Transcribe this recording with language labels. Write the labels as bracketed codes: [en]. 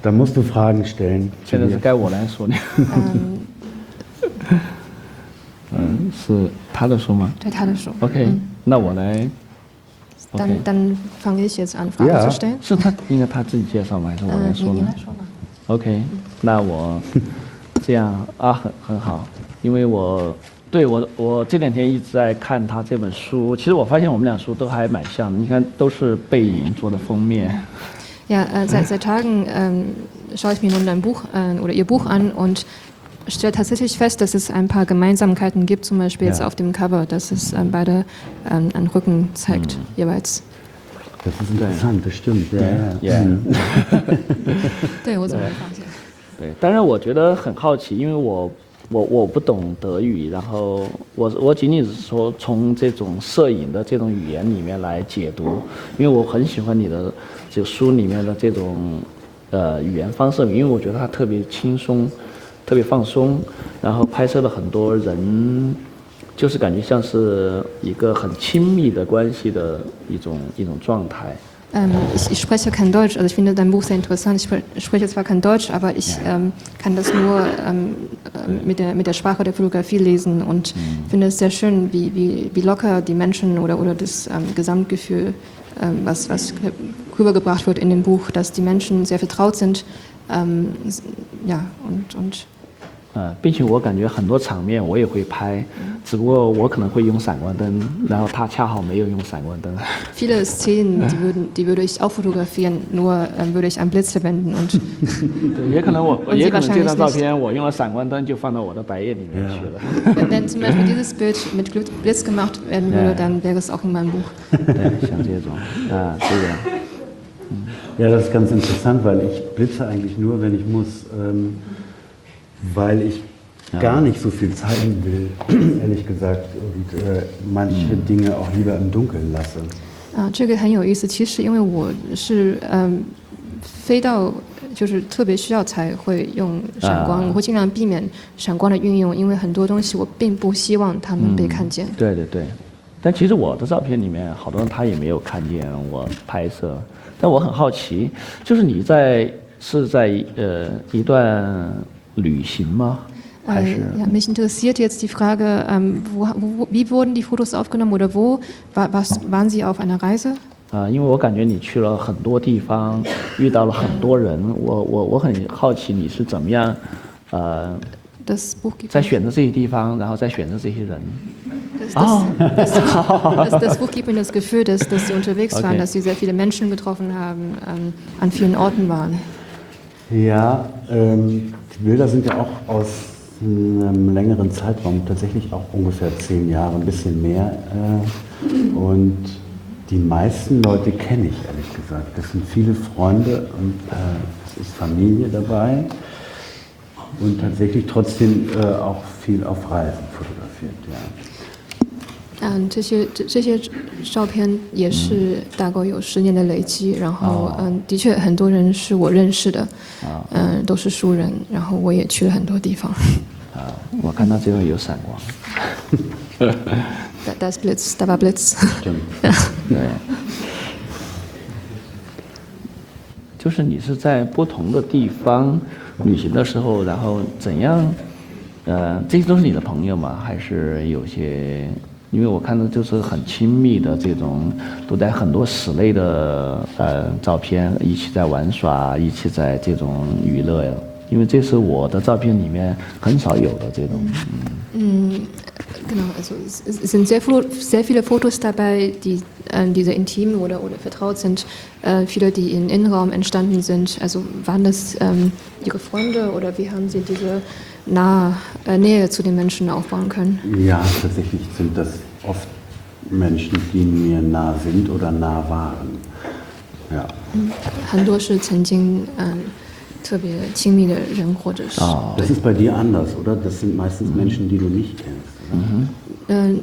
[de] Dann musst du Fragen stellen. Ich finde, das ist geil, was ich jetzt sage. Ist das dein Buch? Ja, das ist dein Buch. Okay, dann okay. Dann fange ich jetzt an, Fragen zu stellen. Ja, ist er, er muss sich selbst vorstellen, oder ich sage? Okay, dann ich... [zh] 这样啊，很好，因为我对我这两天一直在看他这本书。其实我发现我们俩书都还蛮像的，你看都是背影做的封面。 [de] Ja, seit Tagen schaue ich mir nun dein Buch oder ihr Buch an und stelle tatsächlich fest, dass es ein paar Gemeinsamkeiten gibt, zum Beispiel jetzt auf dem Cover, dass es beide einen Rücken zeigt jeweils. Das ist interessant, das stimmt. Ja. [zh] 对，我怎么发现？对，当然我觉得很好奇，因为我不懂德语，然后我仅仅是说从这种摄影的这种语言里面来解读，因为我很喜欢你的这书里面的这种语言方式，因为我觉得它特别轻松，特别放松，然后拍摄了很多人，就是感觉像是一个很亲密的关系的一种状态。 [de] Ich spreche kein Deutsch, also ich finde dein Buch sehr interessant. Ich spreche zwar kein Deutsch, aber ich kann das nur mit der Sprache der Fotografie lesen und finde es sehr schön, wie locker die Menschen oder das Gesamtgefühl, was rübergebracht wird in dem Buch, dass die Menschen sehr vertraut sind. Und [zh] 并且我感觉很多场面我也会拍，只不过我可能会用闪光灯，然后他恰好没有用闪光灯。 [de] Viele Szenen, die würde ich auch fotografieren, nur würde ich einen Blitz verwenden und. [zh] 对，也可能也可能这张照片我用了闪光灯就放到我的白页里面去了。 Wenn zum Beispiel dieses Bild mit Blitz gemacht werden würde, dann wäre es auch in meinem Buch. 对，像这种，啊，这样。 [de] Ja, das ist ganz interessant, weil ich blitze eigentlich nur, wenn ich muss. Weil ich gar nicht so viel zeigen will, ehrlich gesagt, und manche Dinge auch lieber im Dunkeln lasse. [zh] Ah, 这个很有意思。其实因为我是飞到就是特别需要才会用闪光，我会尽量避免闪光的运用，因为很多东西我并不希望他们被看见。对对对，但其实我的照片里面好多人他也没有看见我拍摄，但我很好奇，就是你在是在一段。旅行吗？还是？ [de] ja, mich interessiert jetzt die Frage, wie wurden die Fotos aufgenommen oder wo waren Sie auf einer Reise? [zh] 因为我感觉你去了很多地方，遇到了很多人，我很好奇你是怎么样， [de] das Buch [zh] 在选择这些地方，然后再选择这些人。 [de] Das Buch gibt mir das Gefühl, dass Sie unterwegs waren, dass Sie sehr viele Menschen getroffen haben, an vielen Orten waren. Ja. Die Bilder sind ja auch aus einem längeren Zeitraum, tatsächlich auch ungefähr 10 Jahre, ein bisschen mehr. Und die meisten Leute kenne ich, ehrlich gesagt. Das sind viele Freunde und es ist Familie dabei. Und tatsächlich trotzdem auch viel auf Reisen fotografiert. Ja. [zh] 这些照片也是大概有10年的累积，然后的确很多人是我认识的，都是熟人，然后我也去了很多地方。我看到这边有闪光。 [de] Das Blitz, da war Blitz. [zh] 就是你是在不同的地方旅行的时候，然后怎样？这些都是你的朋友吗？还是有些？因为我看到就是很亲密的这种，都带很多室内的照片，一起在玩耍，一起在这种娱乐呀。因为这是我的照片里面很少有的这种。 [de] Genau, also es sind sehr viele Fotos dabei, die sehr intim oder vertraut sind. Viele, die im Innenraum entstanden sind. Also waren das Ihre Freunde oder wie haben Sie diese Nähe zu den Menschen aufbauen können. Ja, tatsächlich sind das oft Menschen, die mir nah sind oder nah waren. Ja. [zh] 很多是曾经特别亲密的人或者是。 [de] Das ist bei dir anders, oder? Das sind meistens Menschen, die du nicht kennst.